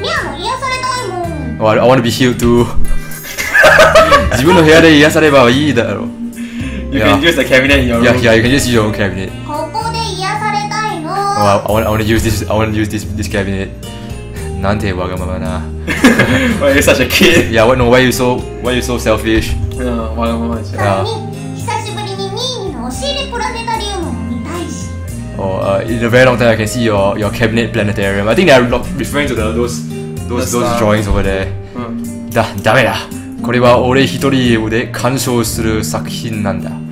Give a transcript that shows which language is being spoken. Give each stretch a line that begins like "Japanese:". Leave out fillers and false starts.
Japanese: ミアも癒されたいもん。
English: Oh, I want to be healed too.
Japanese: 自分の部屋で癒されればいいだろう。
English: You can use the cabinet in your room. Yeah, you can just use your own cabinet.
Japanese: ここで癒されたいの。
English: Oh, I want to use this cabinet.
Japanese: なんてわがままな。
English: Why you such a kid? Yeah, why you so selfish?
Japanese: わがままじゃん。久しぶりにミーのお尻プラネタリウムを見たいし。
English: Oh, in a very long time I can see your cabinet planetarium. I think they are referring to those drawings over there.
Japanese: ダメだ。これは俺一人で鑑賞する作品なんだ。